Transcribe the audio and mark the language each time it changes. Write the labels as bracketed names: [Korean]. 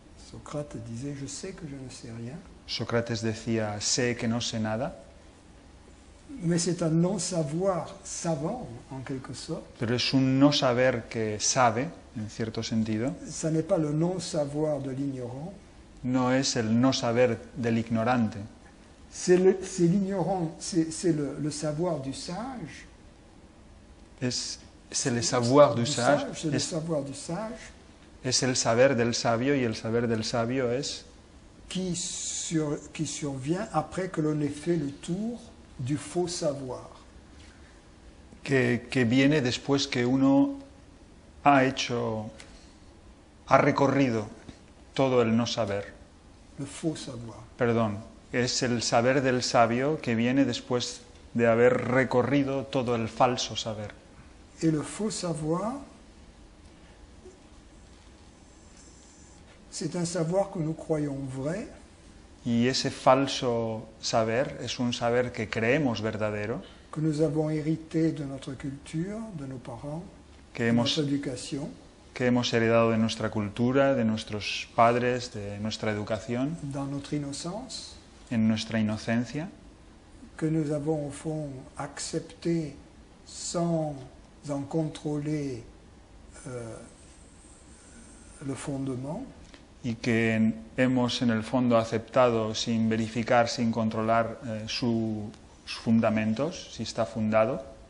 [French] Socrate disait, je sais que je ne sais rien. [Spanish] Sócrates decía, sé que no sé nada. [French] Mais c'est un non-savoir savant, en quelque sorte. [Spanish] Pero es un no saber que sabe, en cierto sentido. [French] Ça n'est pas le non-savoir de l'ignorant. [Spanish] No es el no saber del ignorante. [French] C'est l'ignorant, c'est le savoir du sage. C'est le savoir du sage. C'est le savoir du sage. [Spanish] Es el saber del sabio, y el saber del sabio es... [French] Qui survient après que l'on ait fait le tour du faux savoir. [Spanish] Que viene después que uno ha hecho, ha recorrido todo el no saber. [French] Le faux savoir. [Spanish] Perdón, es el saber del sabio que viene después de haber recorrido todo el falso saber. [French] Et le faux savoir, c'est un savoir que nous croyons vrai. [Spanish] Y ese falso saber es un saber que creemos verdadero. [French] Que nous avons hérité de notre culture, de nos parents, de notre éducation. [Spanish] Que hemos heredado de nuestra cultura, de nuestros padres, de nuestra educación. [French] Dans notre innocence. [Spanish] En nuestra inocencia. [French] Que nous avons au fond accepté sans en contrôler le fondement. [Spanish] Y que hemos, en el fondo, aceptado sin verificar, sin controlar sus fundamentos, si está fundado.